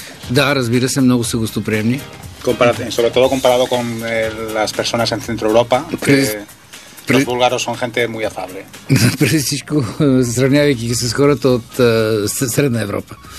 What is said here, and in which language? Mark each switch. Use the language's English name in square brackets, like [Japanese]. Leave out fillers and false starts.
[Bulgarian] Да, разбира се, много са гостоприемни. [Spanish] Sobre todo comparado con las personas en Centro Europa, que los búlgaros son gente muy afable. [Bulgarian] Преди всичко, сравнявайки ги с хората от Средна Европа.